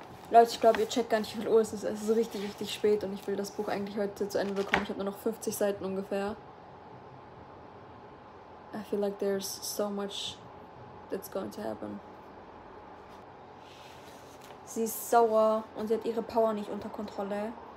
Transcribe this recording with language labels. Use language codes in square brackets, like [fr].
[de] Leute, ich glaube, ihr checkt gar nicht, wie viel Uhr es ist. Es ist richtig, richtig spät und ich will das Buch eigentlich heute zu Ende bekommen. Ich habe nur noch 50 Seiten ungefähr. [en] I feel like there's so much that's going to happen. [de] Sie ist sauer und sie hat ihre Power nicht unter Kontrolle.